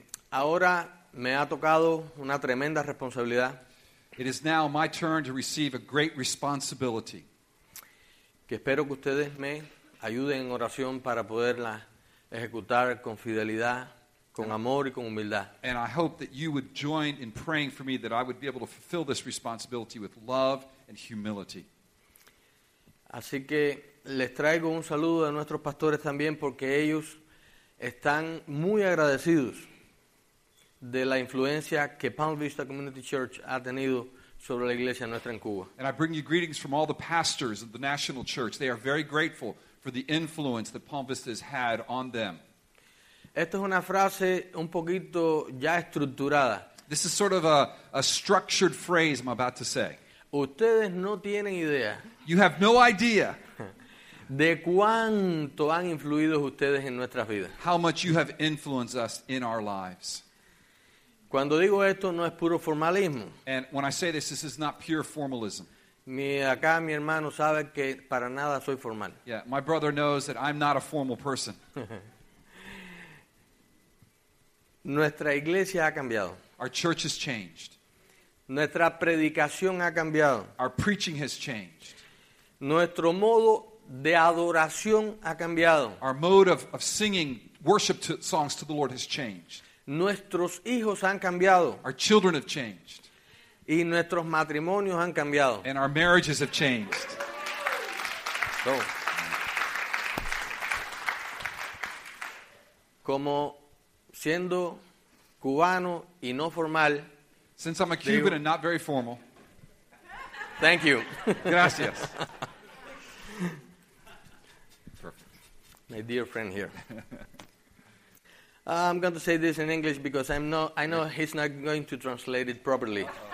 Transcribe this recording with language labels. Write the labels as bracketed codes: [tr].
[es] Ahora me ha tocado una tremenda responsabilidad. [en] It is now my turn to receive a great responsibility. [es] Que espero que ustedes me ayuden en oración para poderla ejecutar con fidelidad. Con amor y con humildad. [en] And I hope that you would join in praying for me that I would be able to fulfill this responsibility with love and humility. [es] Así que les traigo un saludo a nuestros pastores también porque ellos están muy agradecidos de la influencia que Palm Vista Community Church ha tenido sobre la iglesia nuestra en Cuba. [en] And I bring you greetings from all the pastors of the National Church. They are very grateful for the influence that Palm Vista has had on them. [es] Esta es una frase un poquito ya estructurada. [en] This is sort of a structured phrase I'm about to say. [es] Ustedes no tienen idea. [en] You have no idea. [es] De cuánto han influido ustedes en nuestras vidas. [en] How much you have influenced us in our lives. [es] Cuando digo esto, no es puro formalismo. [en] And when I say this, this is not pure formalism. [es] Ni acá mi hermano sabe que para nada soy formal. [en] Yeah, my brother knows that I'm not a formal person. [es] Nuestra iglesia ha cambiado. [en] Our church has changed. [es] Nuestra predicación ha cambiado. [en] Our preaching has changed. [es] Nuestro modo de adoración ha cambiado. [en] Our mode of singing worship songs to the Lord has changed. [es] Nuestros hijos han cambiado. [en] Our children have changed. [es] Y nuestros matrimonios han cambiado. [en] And our marriages have changed. So, [es] como siendo cubano y no formal. [en] Since I'm a Cuban and not very formal. Thank you. [es] Gracias. [en] My dear friend here. I'm going to say this in English because I know he's not going to translate it properly.